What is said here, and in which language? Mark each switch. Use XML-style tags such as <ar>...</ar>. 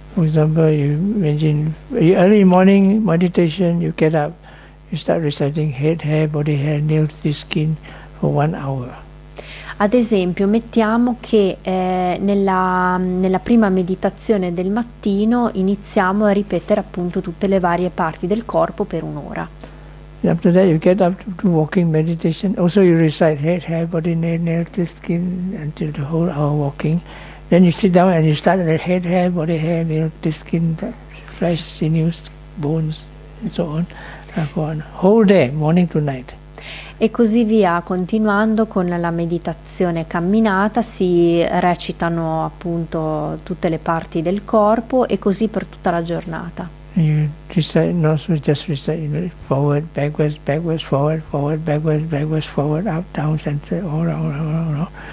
<en>For example, you imagine early morning meditation, you get up, you start reciting head hair, body hair, nails, the skin for 1 hour.</en> <it>Ad esempio, mettiamo che nella prima meditazione del mattino iniziamo a ripetere appunto tutte le varie parti del corpo per un'ora.</it> <en>And after that you get up to walking meditation, also you recite head, hair, body, nail, the skin until the whole hour walking. Then you sit down and you start with head, hair, body, hair, nail, the skin, flesh, sinews, bones and so on. Whole day, morning to night.</en> <it>E così via, continuando con la meditazione camminata, si recitano appunto tutte le parti del corpo, e così per tutta la giornata.</it> <en>You recite, no, so just recite, you know, forward, backwards, backwards, forward, forward, backwards, backwards, forward, up, down, center, all.</en>